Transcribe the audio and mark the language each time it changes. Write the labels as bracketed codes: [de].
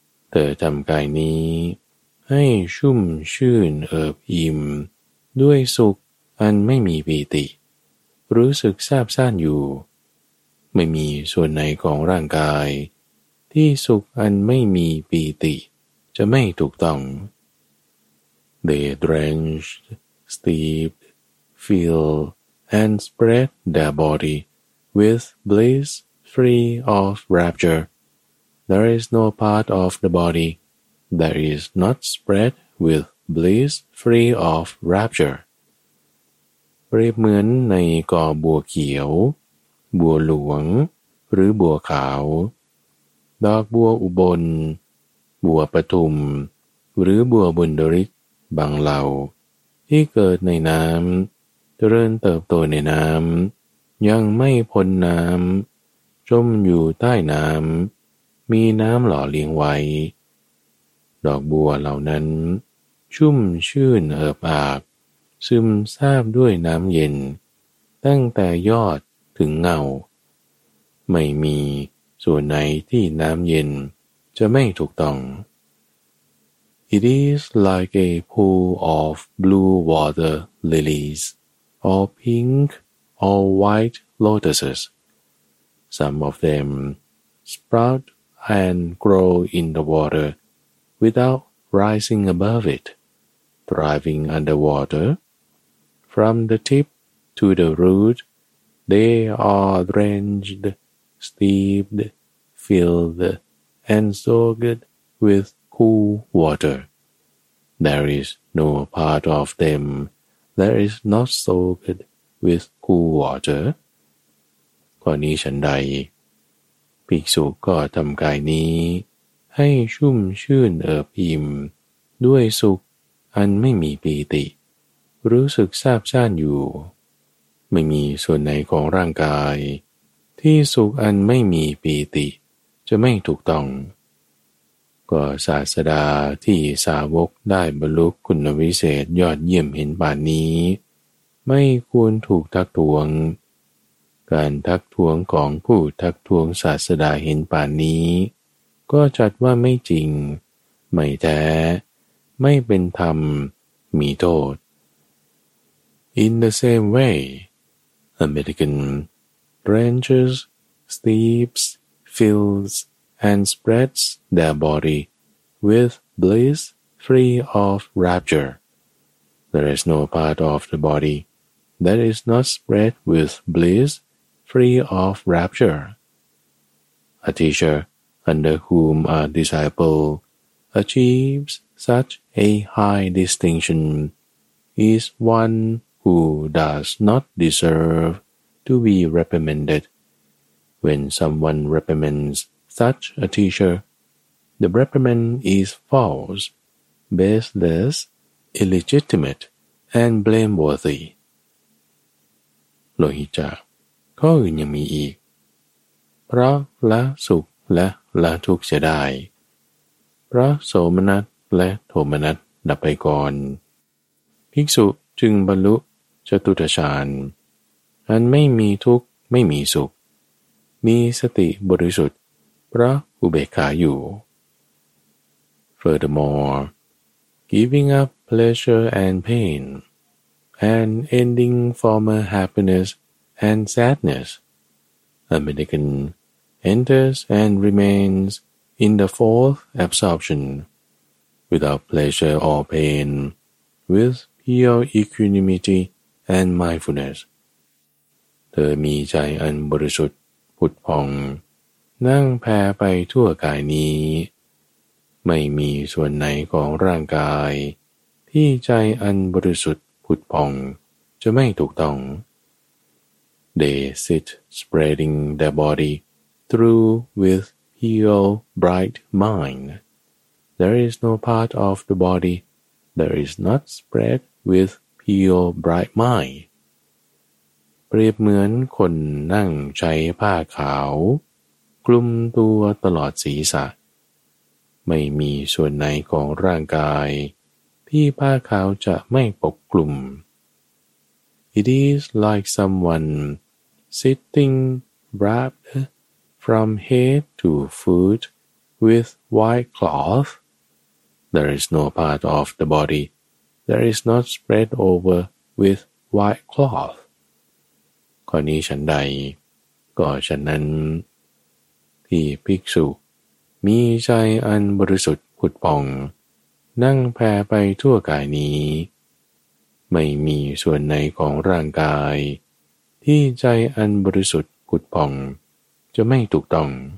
[th] เธอทำกายนี้ให้ชุ่มชื่นเอิบอิ่มด้วยสุขอันไม่มีปีติรู้สึกซาบซ่านอยู่ไม่มีส่วนไหนของร่างกายที่สุขอันไม่มีปีติจะไม่ถูกต้อง [en] They drenched, steeped, feel, and spread their body with bliss free of rapture. There is no part of the body that is not spread with bliss free of rapture. [th] เปรียบเหมือนในกอบัวเขียวบัวหลวงหรือบัวขาวดอกบัวอุบลบัวปทุมหรือบัวบุญดริกบางเหล่าที่เกิดในน้ำเจริญเติบโตในน้ำยังไม่พ้นน้ำจมอยู่ใต้น้ำมีน้ำหล่อเลี้ยงไว้ ดอกบัวเหล่านั้นชุ่มชื่นเอิบอาบซึมซาบด้วยน้ำเย็นตั้งแต่ยอดถึงเงาไม่มีส่วนไหนที่น้ำเย็นจะไม่ถูกต้อง [en] It is like a pool of blue water lilies or pink or white lotuses. Some of them sprout and grow in the water without rising above it, thriving underwater. From the tip to the root, they are drenched, steeped, filled, and soaked with cool water. There is no part of them that is not soaked with cool water. [th] ข้อนี้ฉันใดภิกษุก็ทำกายนี้ให้ชุ่มชื่นเอิบอิ่มด้วยสุขอันไม่มีปีติรู้สึกซาบซ่านอยู่ไม่มีส่วนไหนของร่างกายที่สุขอันไม่มีปีติจะไม่ถูกต้อง ก็ศาสดาที่สาวกได้บรรลุคุณวิเศษยอดเยี่ยมเห็นป่านนี้ไม่ควรถูกทักท้วงการทักท้วงของผู้ทักท้วงศาสดาเห็นป่านนี้ก็จัดว่าไม่จริงไม่แท้ไม่เป็นธรรมมีโทษ [en] In the same way, a mendicant drenches, steeps, fills, and spreads their body with bliss free of rapture. There is no part of the body that is not spread with bliss free of rapture. A teacher under whom a disciple achieves such a high distinction is onewho does not deserve to be reprimanded. When someone reprimands such a teacher, the reprimand is false, baseless, illegitimate, and blameworthy. [th] Lohicca, ข้ออื่นยังมีอีกเพราะละสุขและละทุกข์เสียได้เพราะโสมนัสและโทมนัสดับไปก่อนภิกษุจึงบรรลุจตุตถฌานอันไม่มีทุกข์ ไม่มีสุขมีสติบริสุทธิ์เพราะอุเบกขาอยู่ [en] Furthermore, giving up pleasure and pain and ending former happiness and sadness, a mendicant enters and remains in the fourth absorption without pleasure or pain, with pure equanimity and mindfulness. [th] เธอมีใจอันบริสุทธิ์ผุดพองนั่งแผ่ไปทั่วกายนี้ไม่มีส่วนไหนของร่างกายที่ใจอันบริสุทธิ์ผุดพองจะไม่ถูกต้อง [en] They sit spreading their body through with pure bright mind. There is no part of the body that is not spread with pure bright mind [th] เปรียบเหมือนคนนั่งใช้ผ้าขาวคลุมตัวตลอดศีรษะ ไม่มีส่วนไหนของร่างกายที่ผ้าขาวจะไม่ปกคลุม [en] It is like someone sitting wrapped from head to foot with white cloth. There is no part of the body that is not spread over with white cloth. [th] ข้อนี้ฉันใดก็ฉันนั้นที่ภิกษุมีใจอันบริสุทธิ์ผุดป่องนั่งแผ่ไปทั่วกายนี้ไม่มีส่วนไหนของร่างกายที่ใจอันบริสุทธิ์ผุดป่องจะไม่ถูกต้อง